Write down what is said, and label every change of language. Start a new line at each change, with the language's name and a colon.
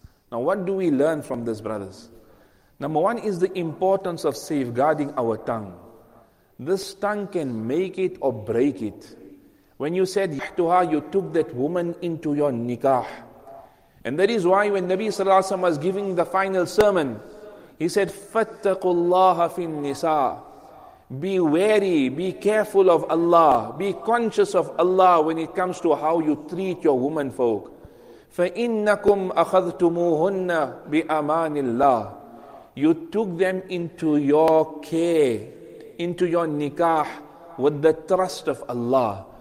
English: Now what do we learn from this, brothers? Number one is the importance of safeguarding our tongue. This tongue can make it or break it. When you said yahtuha, you took that woman into your nikah. And that is why when Nabi sallallahu alayhi wa sallam was giving the final sermon, He said,
Arabic: فَاتَّقُوا اللَّهَ فِي النِّسَاءِ.
English: Be wary, be careful of Allah, be conscious of Allah when it comes to how you treat your woman folk.
Arabic: فَإِنَّكُمْ أَخَذْتُمُوهُنَّ بِأَمَانِ اللَّهِ.
English: You took them into your care, into your nikah, with the trust of Allah.